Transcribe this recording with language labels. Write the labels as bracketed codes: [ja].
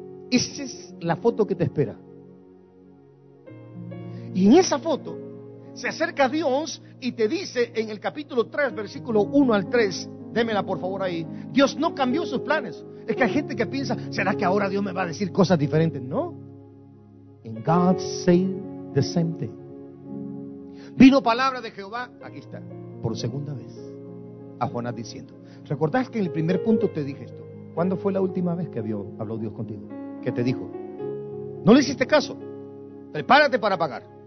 [es] Esa es la foto que te espera. Y en esa foto se acerca Dios y te dice en el capítulo 3, versículo 1 al 3, démela por favor ahí, Dios no cambió sus planes. Es que hay gente que piensa, ¿será que ahora Dios me va a decir cosas diferentes? No. [en] And God said the same thing. [es] Vino palabra de Jehová, aquí está, por segunda vez, a Jonás diciendo. ¿Recordás que en el primer punto te dije esto? ¿Cuándo fue la última vez que habló Dios contigo? ¿Qué te dijo? No le hiciste caso. Prepárate para pagar.